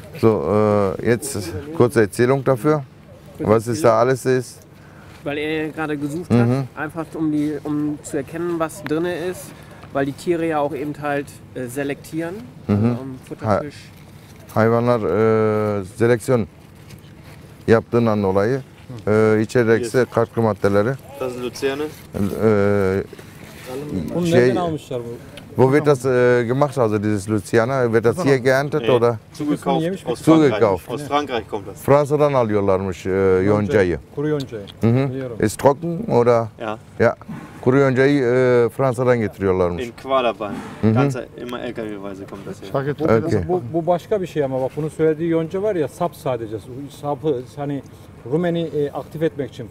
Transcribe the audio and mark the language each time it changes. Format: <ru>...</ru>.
<de>So, jetzt kurze Erzählung dafür. Was ist da alles ist? Weil er gerade gesucht hat, einfach um zu erkennen, was drin ist, weil die Tiere ja auch eben halt selektieren, Futterfisch.</de> <tr>Hayvanlar Selektion yaptığından dolayı içerideki katkı maddeleri.</tr> <de>Das ist Luzerne.</de> <tr>Bunu nereden almışlar bu?</tr> <de>Wo wird das gemacht, also dieses Luzerne? Wird das hier geerntet oder? Zugekauft. Zugekauft. Aus Frankreich kommt das.</de> <tr>Fransa'dan alıyorlarmış yoncayı. Kuru yoncayı. Hı</tr> <de>hı. Ist trocken oder? Ja. Ja.</de> <tr>Kuru yoncayı Fransa'dan getiriyorlarmış.</tr> <de>In Qualaban. Immer LKW-weise kommt das her. Okay. Okay.</de> <tr>Bu başka bir şey ama bak bunun söylediği yonca var ya sap sadece. Sapı hani Rumen'i aktif etmek için.</tr>